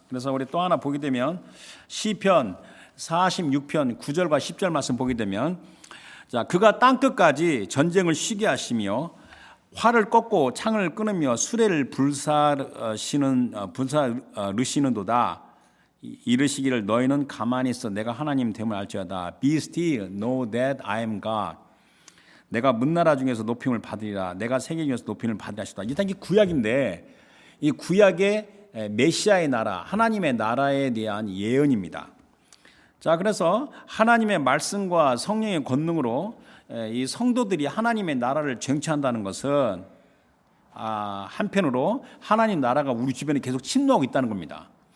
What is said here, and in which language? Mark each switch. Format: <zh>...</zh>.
<ko>그래서 우리 또 하나 보게 되면 시편 46편 9절과 10절 말씀 보게 되면 자 그가 땅끝까지 전쟁을 쉬게 하시며 활을 꺾고 창을 끊으며 수레를 불사르시는도다. 이르시기를 너희는 가만히 있어 내가 하나님 됨을 알지어다.</ko> <en>Be still, know that I am God.</en> <ko>내가 문나라 중에서 높임을 받으리라. 내가 세계 중에서 높임을 받으리라 하시다. 이게 단지 구약인데 이 구약의 메시아의 나라 하나님의 나라에 대한 예언입니다. 자 그래서 하나님의 말씀과 성령의 권능으로 이 성도들이 하나님의 나라를 쟁취한다는 것은 한편으로 하나님 나라가 우리 주변에 계속 침노하고 있다는 겁니다.</ko>